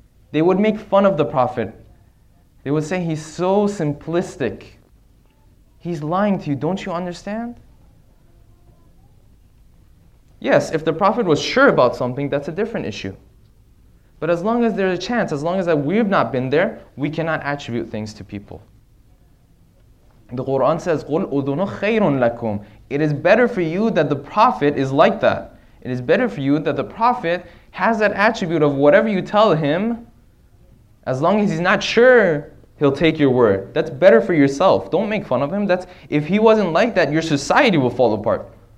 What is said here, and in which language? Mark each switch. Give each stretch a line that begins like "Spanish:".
English: They would make fun of the Prophet. They would say, "He's so simplistic. He's lying to you. Don't you understand?" Yes, if the Prophet was sure about something, that's a different issue. But as long as there's a chance, as long as that we've not been there, we cannot attribute things to people. The Quran says,
Arabic: قُلْ أُذُنُ خَيْرٌ لَكُمْ.
English: It is better for you that the Prophet is like that. It is better for you that the Prophet has that attribute of whatever you tell him, as long as he's not sure he'll take your word. That's better for yourself. Don't make fun of him. That's, if he wasn't like that, your society will fall apart.